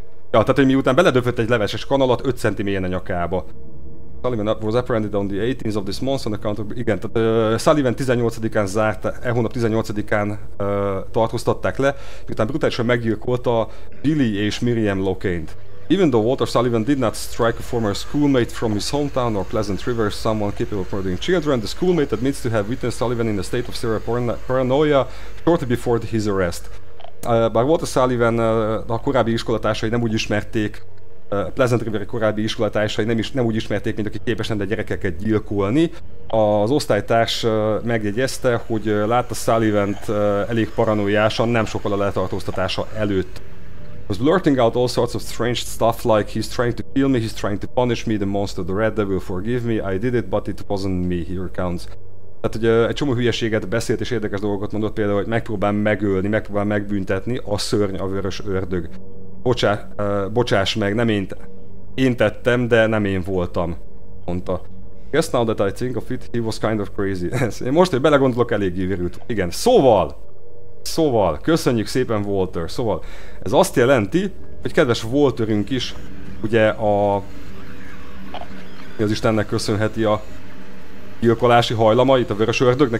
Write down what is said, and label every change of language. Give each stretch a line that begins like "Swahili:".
Hungarian: Tehát, hogy miután beledöfött egy leveses kanalat 5 centi mélyen a nyakába.
English: Sullivan was apprehended on the 18th of this month on account of...
Hungarian: Igen, tehát Sullivan 18-án zárt, e hónap 18-án tartóztatták le, miután brutálisan meggyilkolta Billy és Miriam Locane-t.
English: Even though Walter Sullivan did not strike a former schoolmate from his hometown or Pleasant River, someone capable of murdering children, the schoolmate admits to have witnessed Sullivan in a state of serious paranoia shortly before his arrest.
Hungarian: Bár Walter Sullivan a korábbi iskolatársai nem úgy ismerték, Pleasant River korábbi iskolatársai nem úgy ismerték, mint aki képes lenne gyerekeket gyilkolni. Az osztálytárs megjegyezte, hogy látta Sullivant elég paranoiásan, nem sokkal a letartóztatása előtt.
English: He was blurting out all sorts of strange stuff like he's trying to kill me, he's trying to punish me, the monster, the red devil, forgive me, I did it, but it wasn't me, he recounts.
Hungarian: Tehát, hogy egy csomó hülyeséget beszélt és érdekes dolgokat mondott, például, hogy megpróbál megölni, megpróbál megbüntetni a szörny, a vörös ördög. Bocsáss meg, nem én tettem, de nem én voltam, mondta.
English: Just now that I think of it, he was kind of crazy.
Hungarian: Én most, hogy belegondolok, eléggé virult. Igen, szóval, köszönjük szépen, Walter, szóval, ez azt jelenti, hogy kedves Walterünk is, ugye az Istennek köszönheti a gyilkolási hajlamait a vörös ördögnek.